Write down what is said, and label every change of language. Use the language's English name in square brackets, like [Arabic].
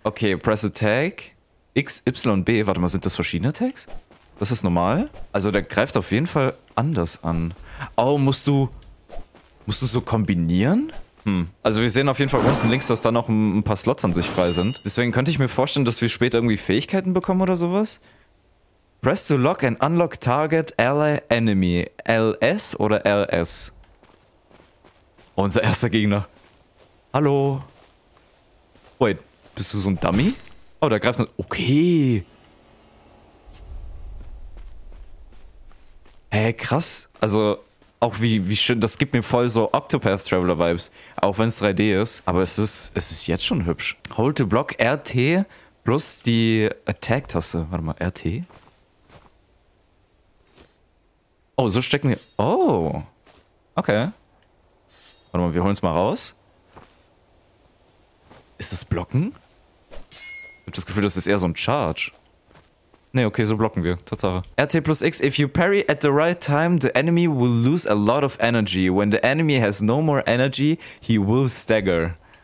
[German] Okay, [English] press a tag. [German] X, Y, B. Warte mal, sind das verschiedene Tags? Das ist normal? Also der greift auf jeden Fall anders an. Oh, musst du so kombinieren? Also wir sehen auf jeden Fall unten links, dass da noch ein paar Slots an sich frei sind. Deswegen könnte ich mir vorstellen, dass wir später irgendwie Fähigkeiten bekommen oder sowas. [English] Press to lock and unlock target ally enemy. [German] LS oder LS? Unser erster Gegner. Hallo. Wait, bist du so ein Dummy? Oh, der greift noch. Okay. Hey, krass. Also, auch wie schön. Das gibt mir voll so Octopath Traveler Vibes. Auch wenn es 3D ist. Aber es ist jetzt schon hübsch. [English] Hold to block RT plus [German] die Attack-Taste. Warte mal, RT? Oh, so stecken wir. Oh. Okay. Warte mal, wir holen es mal raus. Ist das blocken? Ich hab das Gefühl, das ist eher so ein Charge. Ne, okay, so blocken wir. Tatsache. RT plus X. [English] If you parry at the right time, the enemy will lose a lot of energy. When the enemy has no more energy, he will stagger.